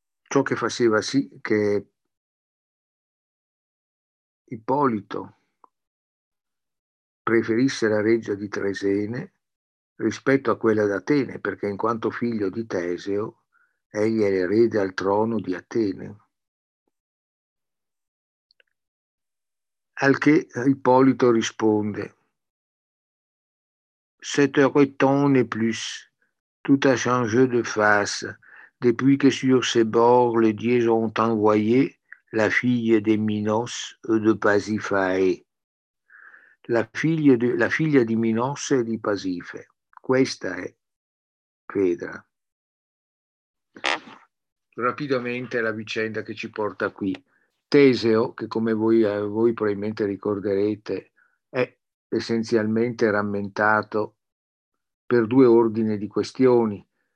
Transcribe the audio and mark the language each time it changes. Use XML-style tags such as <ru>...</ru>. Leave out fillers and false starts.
<it>Ciò che faceva sì che Ippolito preferisse la reggia di Tresene rispetto a quella d'Atene, perché in quanto figlio di Teseo, egli è l'erede al trono di Atene. Al che Ippolito risponde:</it> <fr>Cet heureux temps n'est plus, tout a changé de face, depuis que sur ces bords les dieux ont envoyé la fille de Minos et de Pasiphae.</fr> <it>La figlia di Minos e di Pasife. Questa è Fedra. Rapidamente la vicenda che ci porta qui. Teseo, che come voi probabilmente ricorderete, è essenzialmente rammentato per due ordini di questioni.</it>